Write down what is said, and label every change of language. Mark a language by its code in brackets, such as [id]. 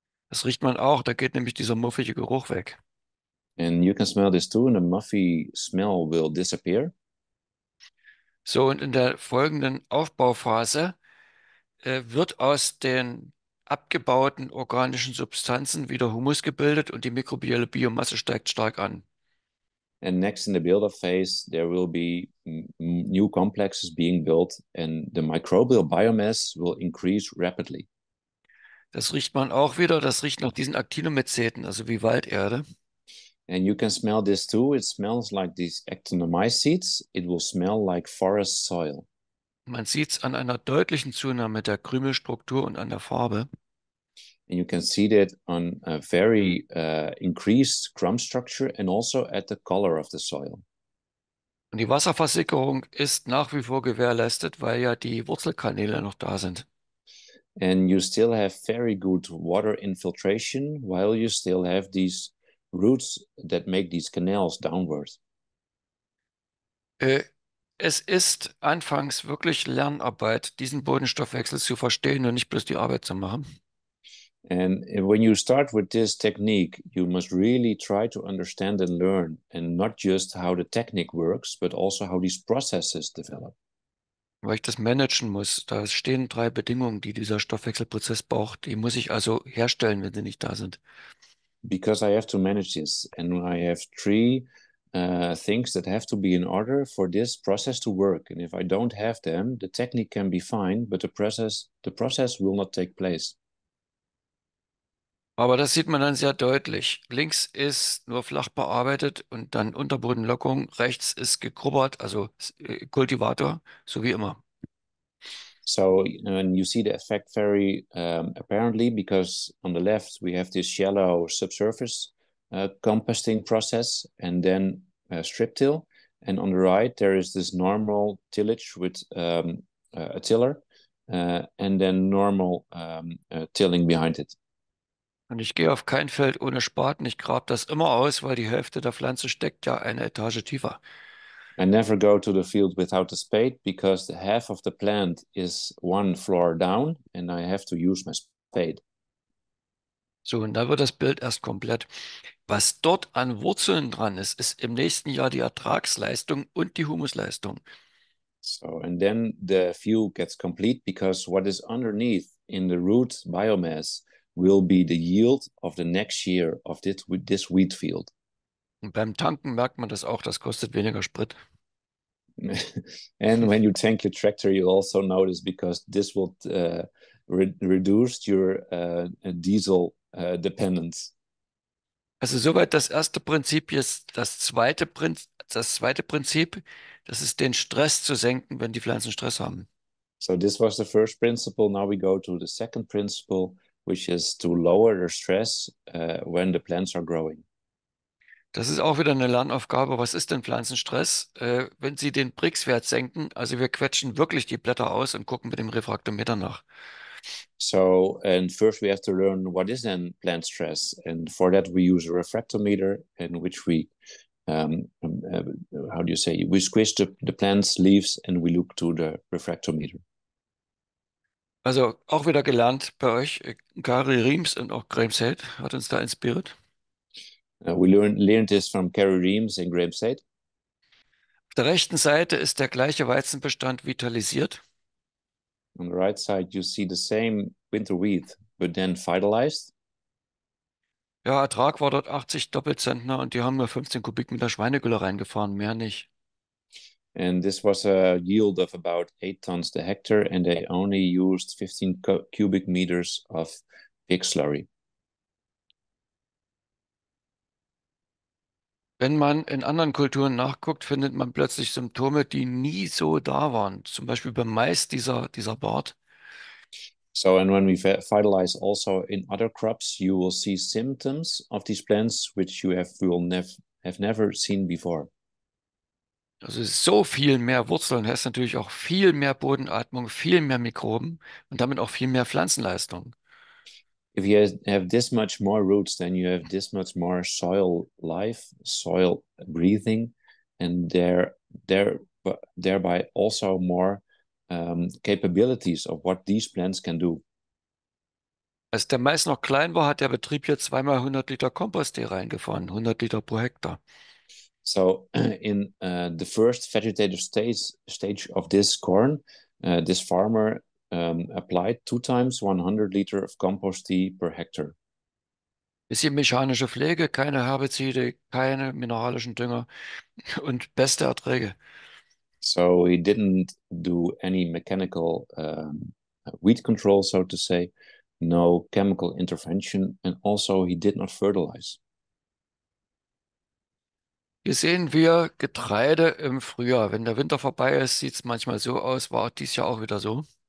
[de] Das riecht man auch, da geht nämlich dieser muffige Geruch weg. [en] And you can smell this too, and a muffy smell will disappear. [de] So, und in der folgenden Aufbauphase wird aus den abgebauten organischen Substanzen wieder Humus gebildet und die mikrobielle Biomasse steigt stark an. [en] And next in the build-up phase, there will be new complexes being built and the microbial biomass will increase rapidly. [de] Das riecht man auch wieder, das riecht nach diesen Actinomyceten, also wie Walderde. [en] And you can smell this too. It smells like these actinomycetes. It will smell like forest soil. [de] Man sieht es an einer deutlichen Zunahme der Krümelstruktur und an der Farbe. [en] And you can see that on a very increased crumb structure and also at the color of the soil. [de] Und die Wasserversickerung ist nach wie vor gewährleistet, weil ja die Wurzelkanäle noch da sind. [en] And you still have very good water infiltration while you still have these roots that make these canals downwards. [de] Es ist anfangs wirklich Lernarbeit, diesen Bodenstoffwechsel zu verstehen und nicht bloß die Arbeit zu machen. [en] And when you start with this technique, you must really try to understand and learn and not just how the technique works, but also how these processes develop. [de] Weil ich das managen muss. Da stehen 3 Bedingungen, die dieser Stoffwechselprozess braucht. Die muss ich also herstellen, wenn sie nicht da sind. [en] Because I have to manage this and I have 3 things that have to be in order for this process to work. And if I don't have them, the technique can be fine, but the process will not take place. [de] Aber das sieht man dann sehr deutlich. Links ist nur flach bearbeitet und dann Unterbodenlockung. Rechts ist gegrubbert, also Kultivator, so wie immer. [en] So, and you see the effect very apparently, because on the left we have this shallow subsurface composting process and then strip till. And on the right there is this normal tillage with a tiller and then normal tilling behind it. [de] Und ich gehe auf kein Feld ohne Spaten. Ich grabe das immer aus, weil die Hälfte der Pflanze steckt ja eine Etage tiefer. [en] I never go to the field without a spade because the half of the plant is one floor down and I have to use my spade. [de] So, und da wird das Bild erst komplett. Was dort an Wurzeln dran ist, ist im nächsten Jahr die Ertragsleistung und die Humusleistung. [en] So, and then the field gets complete because what is underneath in the root biomass will be the yield of the next year of this wheat field. [de] Und beim Tanken merkt man das auch, das kostet weniger Sprit. [en] And when you tank your tractor, you also notice because this will reduce your diesel dependence. [de] Also soweit das erste Prinzip ist. Das zweite Prinzip, das ist den Stress zu senken, wenn die Pflanzen Stress haben. [en] So this was the first principle. Now we go to the second principle, which is to lower the stress when the plants are growing. [de] Das ist auch wieder eine Lernaufgabe. Was ist denn Pflanzenstress? Wenn Sie den Brix-Wert senken, also wir quetschen wirklich die Blätter aus und gucken mit dem Refraktometer nach. [en] So, and first we have to learn what is then plant stress. And for that we use a refractometer in which we, how do you say, we squish the plant's leaves and we look to the refractometer. [de] Also auch wieder gelernt bei euch. Kari Riems und auch Graeme Seid hat uns da inspiriert. [en] We learned this from Kerry Reams and Graeme Seid. [de] Auf der rechten Seite ist der gleiche Weizenbestand vitalisiert. [en] On the right side you see the same winter wheat, but then vitalized. [de] Ja, Ertrag war dort 80 Doppelzentner und die haben nur 15 Kubikmeter Schweinegülle reingefahren, mehr nicht. [en] And this was a yield of about 8 tons per hectare and they only used 15 cubic meters of pig slurry. [de] Wenn man in anderen Kulturen nachguckt, findet man plötzlich Symptome, die nie so da waren. Zum Beispiel beim Mais, dieser Bart. [en] So, and when we fertilize also in other crops, you will see symptoms of these plants, which you have never seen before. [de] Also so viel mehr Wurzeln, heißt natürlich auch viel mehr Bodenatmung, viel mehr Mikroben und damit auch viel mehr Pflanzenleistung. [en] If you have this much more roots, then you have this much more soil life, soil breathing, and thereby also more capabilities of what these plants can do. [de] Als der Mais noch klein war, hat der Betrieb hier zweimal 100 Liter Komposttee reingefahren, 100 Liter pro Hektar. [en] So in the first vegetative stage of this corn, this farmer applied 2 times 100 liter of compost tea per hectare. [de] Bisschen mechanische Pflege, keine Herbizide, keine mineralischen Dünger und beste Erträge. [en] So he didn't do any mechanical weed control, so to say, no chemical intervention, and also he did not fertilize. [de] Hier sehen wir Getreide im Frühjahr. Wenn der Winter vorbei ist, sieht es manchmal so aus, war dies Jahr auch wieder so.